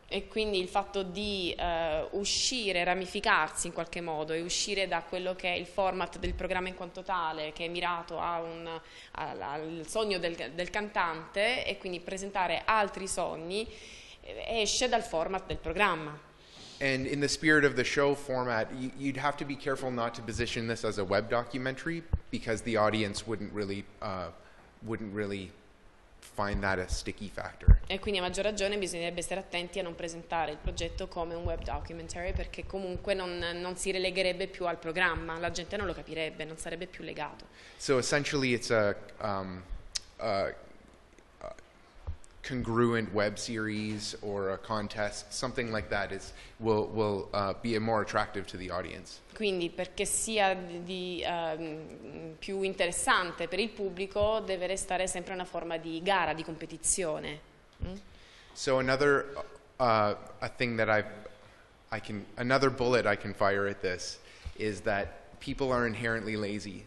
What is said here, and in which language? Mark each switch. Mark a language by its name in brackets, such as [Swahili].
[Italian] E quindi il fatto di uscire, ramificarsi in qualche modo e uscire da quello che è il format del programma in quanto tale, che è mirato al sogno del cantante, e quindi presentare altri sogni, esce dal format del programma. [English] And in the spirit of the show format, you'd have to be careful not to position this as a web documentary, because the audience wouldn't really find that a sticky factor. [Italian] E quindi a maggior ragione bisognerebbe stare attenti a non presentare il progetto come un web documentary, perché comunque non si relegherebbe più al programma, la gente non lo capirebbe, non sarebbe più legato. [English] So essentially it's a congruent web series or a contest, something like that will be more attractive to the audience. [Italian] Quindi perché sia più interessante per il pubblico deve restare sempre una forma di gara, di competizione. [English] So another bullet I can fire at this is that people are inherently lazy.